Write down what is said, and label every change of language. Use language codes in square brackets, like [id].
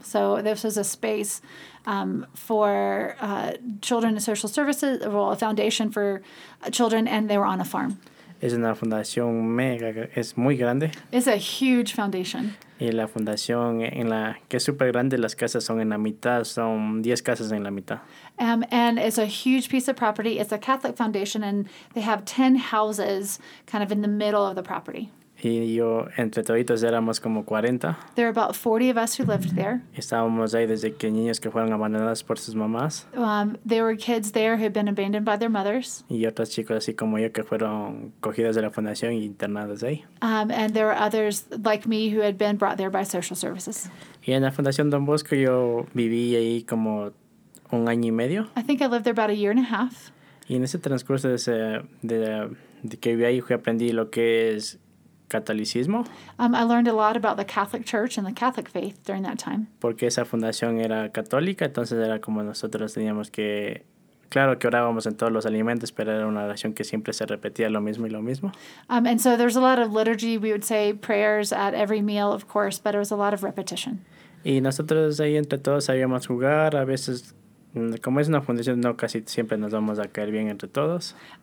[en] So this was a space for children in social services, well, a foundation for children, and they were on a farm. [es] Es una fundación mega, es muy grande. [en] It's a huge foundation. [es] Y la fundación en la que es super grande, las casas son en la mitad, son 10 casas en la mitad. [en] And it's a huge piece of property. It's a Catholic foundation, and they have 10 houses kind of in the middle of the property. [es] Y yo, entre toditos, éramos como 40. [en] There are about 40 of us who lived there. [es] Estábamos ahí desde que niños que fueron abandonados por sus mamás. [en] There were kids there who had been abandoned by their mothers. [es] Y otros chicos así como yo que fueron cogidos de la fundación y internados ahí. [en] And there were others like me who had been brought there by social services. [es] Y en la fundación Don Bosco yo viví ahí como un año y medio. [en] I think I lived there about a year and a half. [es] Y en ese transcurso de que viví ahí fui aprendí lo que es catolicismo. [en] I learned a lot about the Catholic Church and the Catholic faith during that time. [es] Porque esa fundación era católica, entonces era como nosotros teníamos que, claro que orábamos en todos los alimentos, pero era una oración que siempre se repetía lo mismo y lo mismo. [en] And so there's a lot of liturgy, we would say prayers at every meal, of course, but it was a lot of repetition. [es] Y nosotros ahí entre todos sabíamos jugar, a veces, como es una fundación, no casi siempre nos vamos a caer bien entre todos.